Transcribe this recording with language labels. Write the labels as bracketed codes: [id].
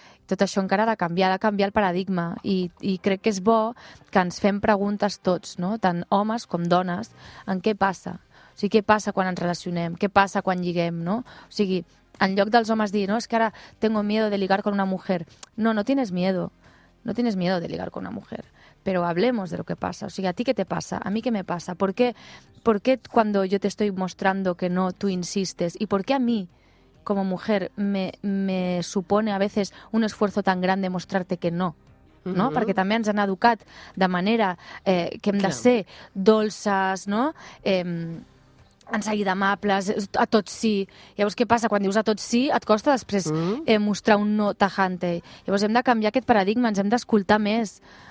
[ca] Tot això encara ha de canviar el paradigma, i crec que és bo que ens fem preguntes tots, no?, tant homes com dones, en què passa. O sigui, què passa quan ens relacionem, què passa quan lliguem, no? O sigui, en lloc dels homes dir, no, és que ara [es] tengo miedo de ligar con una mujer. No tienes miedo. No tienes miedo de ligar con una mujer, pero hablemos de lo que pasa. O sea, ¿a ti qué te pasa? ¿A mí qué me pasa? ¿Por qué cuando yo te estoy mostrando que no, tú insistes? ¿Y por qué a mí, como mujer, me supone a veces un esfuerzo tan grande mostrarte que no? No? Mm-hmm. [ca] Perquè també ens han educat de manera que hem de ser dolces, no? En seguida amables, a tot sí. Llavors, què passa? Quan dius a tot sí, et costa després mostrar un no tajante. Llavors, hem de canviar aquest paradigma, ens hem d'escoltar més